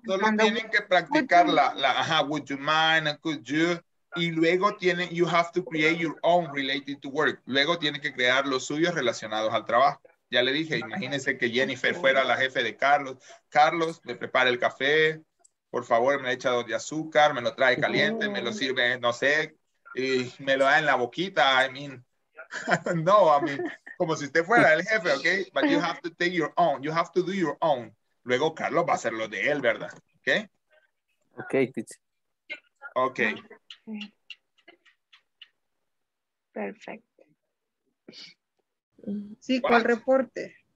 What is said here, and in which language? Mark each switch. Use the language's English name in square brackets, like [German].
[Spanish] Solo tienen que practicar la, [English] would you mind, could you? [Spanish] Y luego tiene, [English] you have to create your own related to work. [Spanish] Luego tiene que crear los suyos relacionados al trabajo. Ya le dije, imagínense que Jennifer fuera la jefe de Carlos. Carlos, me prepara el café. Por favor, me echa dos de azúcar, me lo trae caliente, me lo sirve, no sé, y me lo da en la boquita. [English] I mean, [Spanish] como si usted fuera el jefe, ¿ok? [English] But you have to take your own, you have to do your own. [Spanish] Luego Carlos va a hacer lo de él, ¿verdad? ¿Ok? Ok, [English] teacher. Ok. [Spanish] Perfecto. Sí, ¿cuál reporte?